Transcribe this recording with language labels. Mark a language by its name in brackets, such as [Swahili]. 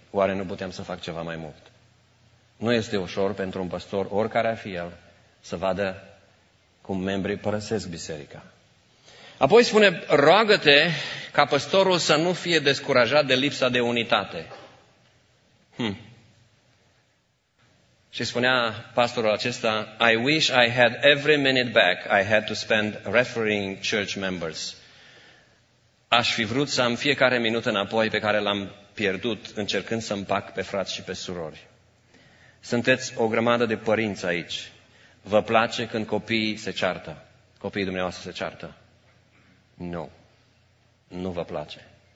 [Romanian] Oare nu puteam să fac ceva mai mult? Nu este ușor pentru un păstor, oricare ar fi el, să vadă cum membrii părăsesc biserica. Apoi spune, roagă-te ca păstorul să nu fie descurajat de lipsa de unitate. Și spunea pastorul acesta, [English] I wish I had every minute back I had to spend refereeing church members. [Romanian] Aș fi vrut să am fiecare minut înapoi pe care l-am pierdut încercând să împac pe frați și pe surori. Sunteți o grămadă de părinți aici. Vă place când copiii se ceartă? Copiii dumneavoastră se ceartă? Nu. Nu vă place.